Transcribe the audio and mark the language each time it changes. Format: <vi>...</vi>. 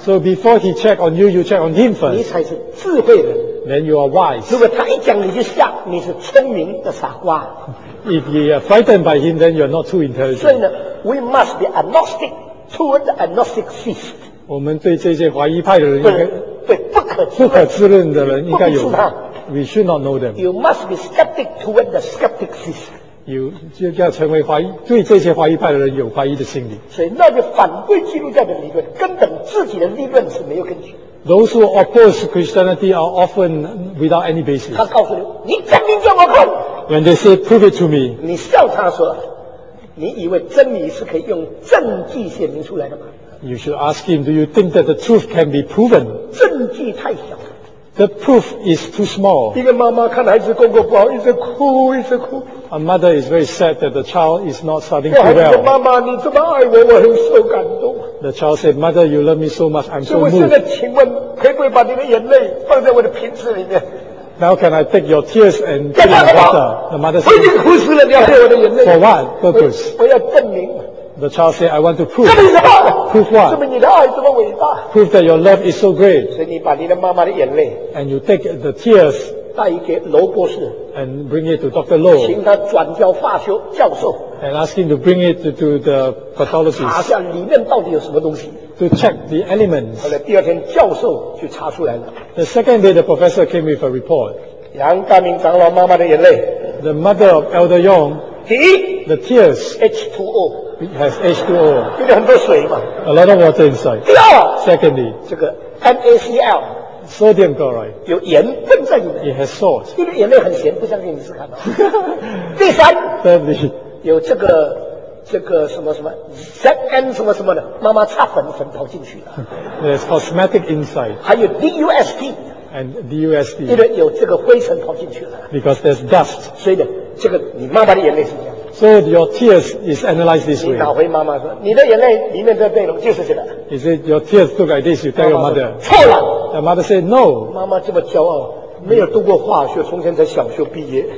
<en>So before he check on you, you check on him first. Then you are wise.</en> <zh>如果他一讲你就吓，你是聪明的傻瓜。</zh> <en>If you are frightened by him, then you are not too intelligent.</en> <zh>所以呢</zh> <en>，we must be agnostic towards agnostic faith.</en> <zh>我们对这些怀疑派的人应该对不可知论的人应该有。</zh> <en>We should not know them. You must be skeptic towards the skeptic faith.</en> <zh>就要成为怀疑对这些怀疑派的人有怀疑的心理。所以那就反对基督教的理论，根本自己的立论是没有根据。</zh> <en>Those who oppose Christianity are often without any basis.</en> <zh>他告诉你，你证明给我看。</zh> <en>When they say, "Prove it to me,"</en> <zh>你笑他说，你以为真理是可以用证据显明出来的吗</zh> <en>？You should ask him, "Do you think that the truth can be proven?"</en> <zh>证据太小了。</zh> <en>The proof is too small.</en> <zh>一个妈妈看孩子功课不好，一直哭，一直哭。</zh> <en>A mother is very sad that the child is not studying too well.</en> <zh>妈妈，你这么爱我，我很受感动。</zh> <en>The child said, "Mother, you love me so much. I'm so moved."</en> <zh>所以我现在请问，可不可以把你的眼泪放在我的瓶子里面</zh> <en>？Now can I take your tears and put in water? The mother said,</en> <zh>我已经哭死了，你要喝我的眼泪</zh> <en>？For what purpose?</en> <zh>我要证明。</zh> <en>The child said, "I want to prove."</en> <zh>证明什么</zh> <en>？Prove what?</en> <zh>证明你的爱这么伟大。</zh> <en>Prove that your love is so great.</en> <zh>所以你把你的妈妈的眼泪</zh> <en>，and you take the tears.</en> <zh>带给罗博士</zh> <en>，and bring it to Dr. Low.</en> <zh>请他转交发修教授。</zh> <en>And ask him to bring it to the pathologist.</en> <zh>查下里面到底有什么东西。</zh> <en>To check the elements.</en> <zh>后来第二天，教授就查出来了。</zh> <en>The second day, the professor came with a report.</en> <zh>杨大明长老妈妈的眼泪。</zh> <en>The mother of Elder Yong.</en> <zh>第一。</zh> <en>The tears. H2O. It has H2O.</en> <zh>因为很多水嘛。</zh> <en>A lot of water inside.</en> <zh>第二。</zh> <en>Secondly.</en> <zh>这个 NaCl.</zh> <en>Sodium chloride.</en> <zh>有盐分在里面。</zh> <en>It has salt.</en> <zh>因为眼泪很咸，不相信你是看到。第三。</zh> <en>Thirdly.</en> <zh>有这个什么什么 ZN 什么什么的，妈妈擦粉跑进去了。</zh> <en>There's cosmetic inside.</en> <zh>还有 DUSD.</zh> <en>And DUSD.</en> <zh>因为有这个灰尘跑进去了。</zh> <en>Because there's dust.</en> <zh>所以呢，这个你妈妈的眼泪是这样。</zh> <en>So your tears is analyzed this way.</en> <zh>你打回妈妈说，你的眼泪里面的内容就是这个。</zh> <en>You say your tears look like this. You tell your mother.</en> <zh>错了。</zh> <en>The mother said no.</en> <zh>妈妈这么骄傲，没有读过化学，从前才小学毕业。</zh>